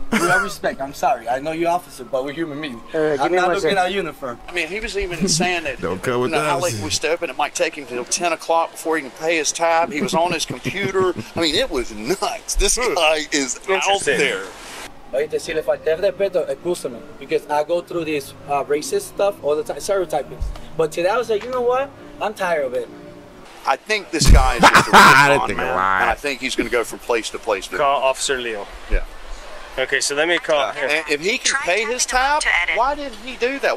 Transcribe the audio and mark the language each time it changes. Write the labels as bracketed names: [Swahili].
[English] With all respect, I'm sorry. I know you're officer, but we're human beings. I'm not looking at our uniform. I mean, he was even saying that. Don't come with that. How late we step in, it might take him till 10 o'clock before he can pay his tab. He was on his computer. I mean, it was nuts. This guy is out there. [Spanish] Oíste, si le falté el respeto, excúsame. [English] Because I go through this racist stuff all the time, stereotyping. But today I was like, you know what? I'm tired of it. I think this guy is just a red con, man. And I think he's going to go from place to place. Now. Call Officer Leo. Yeah. Okay, so let me call. And if he can pay his tab, why did he do that?